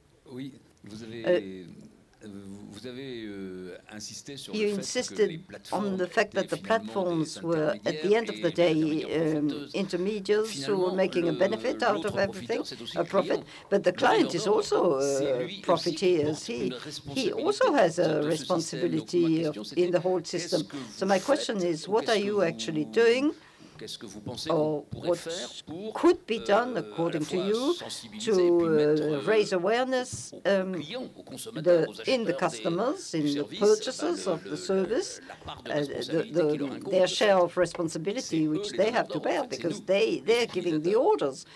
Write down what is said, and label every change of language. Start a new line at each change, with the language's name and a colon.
French: Oui, vous avez insisté sur le fait que les plateformes
English: were at the end of the day intermediaries who were making a benefit out of everything, a profit. But the client is also a profiteer. He also has a responsibility in the whole system. So my question is, what are you actually doing?
French: Qu'est-ce que vous pensez qu'on pourrait faire pour
English: could be done, according to you, to raise awareness in the customers, in the purchasers of the service, their share of responsibility, which they have to bear, because they're giving the orders.